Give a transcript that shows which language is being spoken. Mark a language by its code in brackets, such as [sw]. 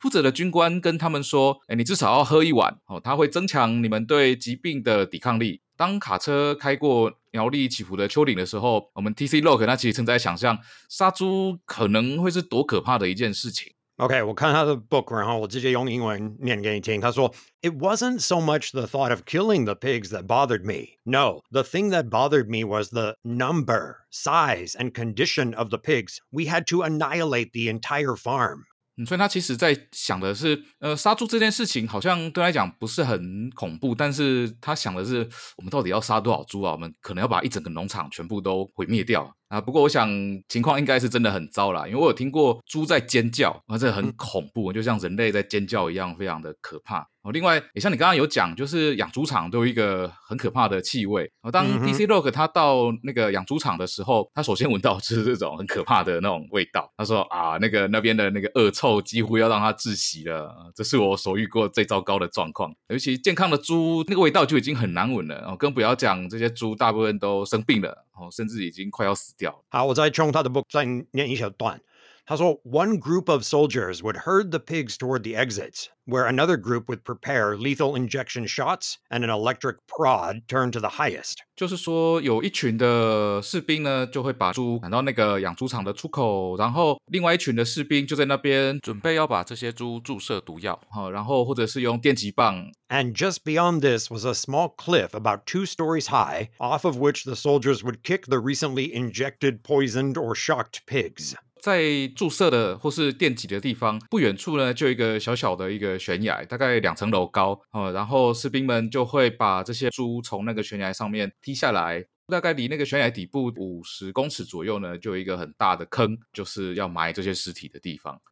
[zh] 负责的军官跟他们说，哎，你至少要喝一碗，它会增强你们对疾病的抵抗力。当卡车开过苗栗起伏的丘陵的时候，我们 TC Lok 他其实正在想象杀猪可能会是多可怕的一件事情。 OK, 我看他的 book, 然后我直接用英文念给你听。他说 [en] It wasn't so much the thought of killing the pigs that bothered me. No, the thing that bothered me was the number, size, and condition of the pigs. We had to annihilate the entire farm.、 [zh] 所以他其实在想的是杀猪这件事情好像对他来讲不是很恐怖，但是他想的是我们到底要杀多少猪啊，我们可能要把一整个农场全部都毁灭掉。不过我想情况应该是真的很糟啦，因为我有听过猪在尖叫，这很恐怖，就像人类在尖叫一样，非常的可怕。另外也像你刚刚有讲，就是养猪场都有一个很可怕的气味。当 DC Lok 他到那个养猪场的时候，他首先闻到就是这种很可怕的那种味道。他说啊，那边的那个恶臭几乎要让他窒息了，这是我所遇过最糟糕的状况。尤其健康的猪那个味道就已经很难闻了，更不要讲这些猪大部分都生病了，甚至已经快要死掉了。好，我再冲他的 book 再念一小段。他说 [en] One group of soldiers would herd the pigs toward the exits, where another group would prepare lethal injection shots and an electric prod turned to the highest. [zh] 就是说有一群的士兵呢，就会把猪赶到那个养猪场的出口，然后另外一群的士兵就在那边准备要把这些猪注射毒药，然后或者是用电击棒。 [en] And just beyond this was a small cliff about two stories high, off of which the soldiers would kick the recently injected poisoned or shocked pigs. [zh] 在注射的或是电击的地方不远处呢，就一个小小的一个悬崖，大概两层楼高，然后士兵们就会把这些猪从那个悬崖上面踢下来，大概离那个悬崖底部50公尺左右呢，就有一个很大的坑，就是要埋这些尸体的地方。